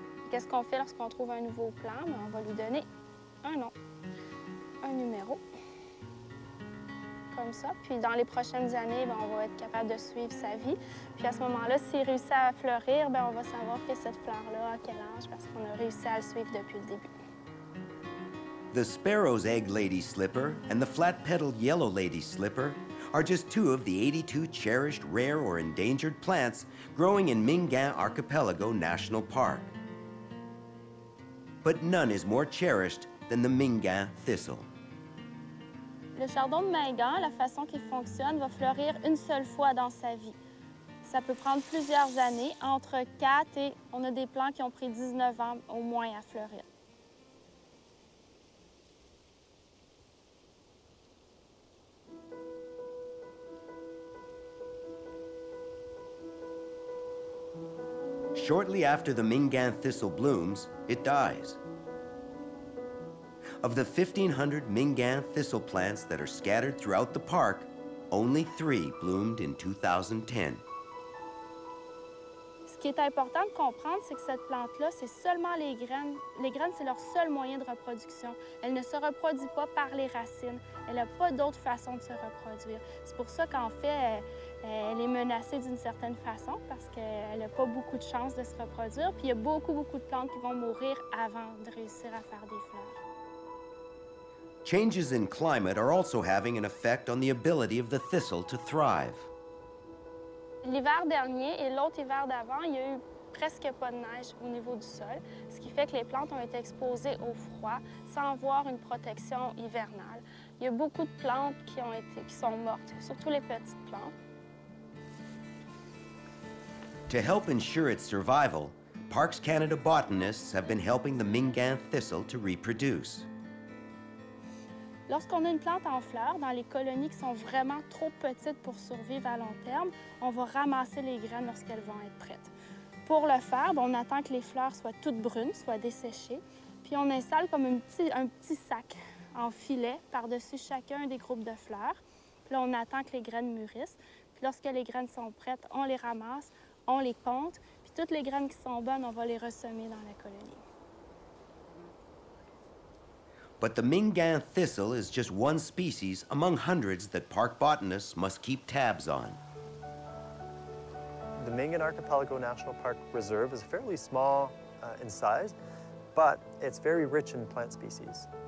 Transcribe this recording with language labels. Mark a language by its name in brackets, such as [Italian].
[French] Qu'est-ce qu'on fait lorsqu'on trouve un nouveau plan? Ben, on va lui donner un nom, un numéro, comme ça. Puis dans les prochaines années, ben, on va être capable de suivre sa vie. Puis à ce moment-là, s'il réussit à fleurir, ben, on va savoir que cette fleur-là a quel âge parce qu'on a réussi à le suivre depuis le début. [English] The sparrow's egg lady slipper and the flat-petaled yellow lady slipper are just two of the 82 cherished rare or endangered plants growing in Mingan Archipelago National Park. But none is more cherished than the Mingan thistle. [French] Le chardon de Mingan, la façon qu'il fonctionne, va fleurir une seule fois dans sa vie. Ça peut prendre plusieurs années, entre 4 et on a des plants qui ont pris 19 ans au moins à fleurir. [English] Shortly after the Mingan thistle blooms, it dies. Of the 1,500 Mingan thistle plants that are scattered throughout the park, only three bloomed in 2010. [French] Ce qui est important de comprendre, c'est que cette plante-là, c'est seulement les graines. Les graines, c'est leur seul moyen de reproduction. Elle ne se reproduit pas par les racines. Elle n'a pas d'autre façon de se reproduire. C'est pour ça qu'en fait, elle est menacée d'une certaine façon, parce qu'elle n'a pas beaucoup de chances de se reproduire. Puis il y a beaucoup, beaucoup de plantes qui vont mourir avant de réussir à faire des fleurs. [English] Changes in climate are also having an effect on the ability of the thistle to thrive. [French] L'hiver dernier et l'autre hiver d'avant, il y a eu presque pas de neige au niveau du sol, ce qui fait que les plantes ont été exposées au froid sans avoir une protection hivernale. Il y a beaucoup de plantes qui sont mortes, surtout les petites plantes. [English] To help ensure its survival, Parks Canada botanists have been helping the Mingan thistle to reproduce. [French] Lorsqu'on a une plante en fleurs, dans les colonies qui sont vraiment trop petites pour survivre à long terme, on va ramasser les graines lorsqu'elles vont être prêtes. Pour le faire, on attend que les fleurs soient toutes brunes, soient desséchées, puis on installe comme un petit sac en filet par-dessus chacun des groupes de fleurs. Puis là, on attend que les graines mûrissent. Lorsque les graines sont prêtes, on les ramasse, on les ponte, puis toutes les graines qui sont bonnes, on va les ressemer dans la colonie. [English] But the Mingan thistle is just one species among hundreds that park botanists must keep tabs on. The Mingan Archipelago National Park Reserve is fairly small in size, but it's very rich in plant species.